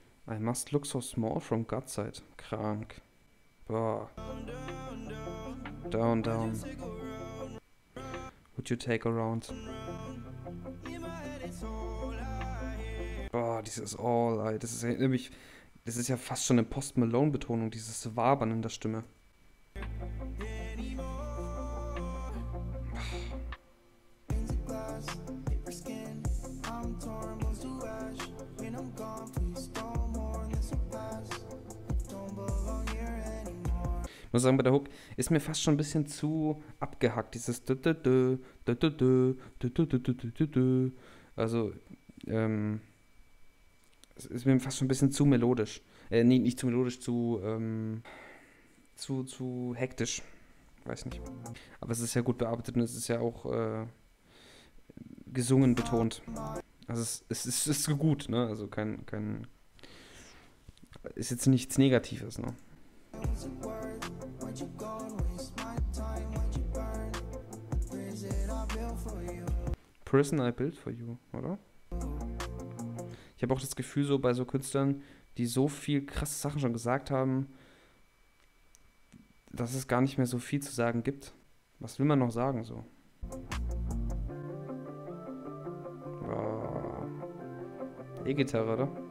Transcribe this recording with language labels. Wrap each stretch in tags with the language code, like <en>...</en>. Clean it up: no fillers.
<en>I must look so small from God's side.</en> <de>Krank. Boah.</de> <en>Down, down. Would you take a round? Boah,</en> <de>dieses All, ey, das ist ja nämlich, das ist ja fast schon eine Post Malone Betonung, dieses Wabern in der Stimme. Ich muss sagen, bei der Hook ist mir fast schon ein bisschen zu abgehackt, dieses also es ist mir fast schon ein bisschen zu melodisch, nee, nicht zu melodisch, zu hektisch, weiß nicht, aber es ist ja gut bearbeitet und es ist ja auch gesungen betont, also es ist gut, ne, also kein ist jetzt nichts Negatives, ne.</de> <en>Prison I built for you,</en> <de>oder? Ich habe auch das Gefühl, so bei so Künstlern, die so viel krasse Sachen schon gesagt haben, dass es gar nicht mehr so viel zu sagen gibt. Was will man noch sagen, so? Oh. E-Gitarre, oder?</de>